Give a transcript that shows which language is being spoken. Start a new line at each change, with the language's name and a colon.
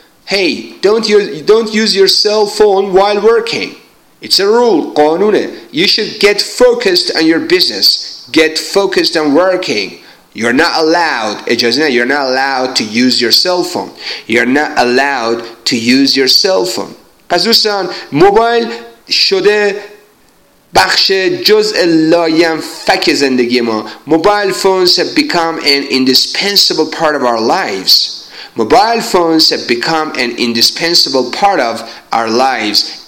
English: Hey, don't use your cell phone while working. It's a rule,
Persian: قانونه.
English: You should get focused on your business. Get focused on working. You're not allowed,
Persian: اجازه نه,
English: you're not allowed to use your cell phone. You're not allowed to use your cell phone.
Persian: پس دوستان, موبایل شده بخش جزء لاینفک زندگی ما.
English: Mobile phones have become an indispensable part of our lives. Mobile phones have become an indispensable part of our lives.